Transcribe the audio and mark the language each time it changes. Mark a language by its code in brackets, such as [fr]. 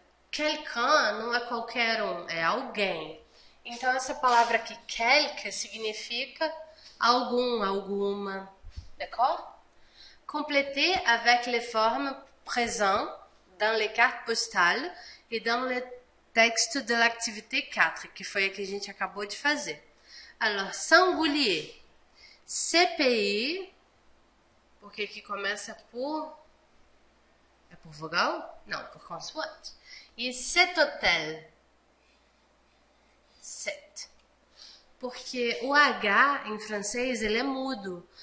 [pt] Quelqu'un não é qualquer um, é alguém. Então, essa palavra aqui, quelque, significa algum, alguma. [fr] D'accord? Complétez avec les formes présentes dans les cartes postales et dans le texte de l'activité 4, [pt] que foi a que a gente acabou de fazer. [fr] Alors, singulier. [pt] Ce pays, porque aqui começa por... É por vogal? Não, por consoante. E cet hôtel. Cet. Porque o H em francês, ele é mudo.